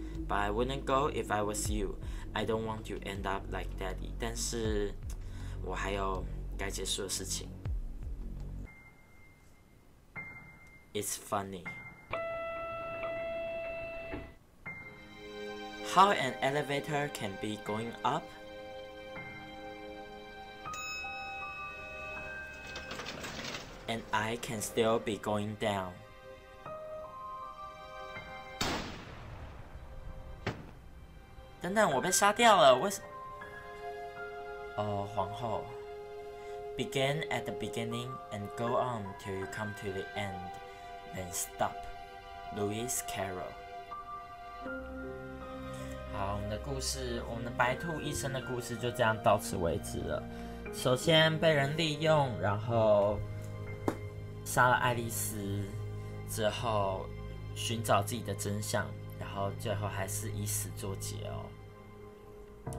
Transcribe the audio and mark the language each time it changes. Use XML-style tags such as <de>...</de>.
<en>But I wouldn't go if I was you. I don't want to end up like Daddy.</en> <zh>但是我还有该结束的事情。</zh> <en>It's funny. How an elevator can be going up? And I can still be going down. Wait, I've been killed. What? Oh, 皇后. Begin at the beginning and go on till you come to the end, then stop. Lewis Carroll.</en> <zh>好，我们的故事，我们的白兔医生的故事就这样到此为止了。首先被人利用，然后。杀了爱丽丝之后，寻找自己的真相，然后最后还是以死作结哦。</zh>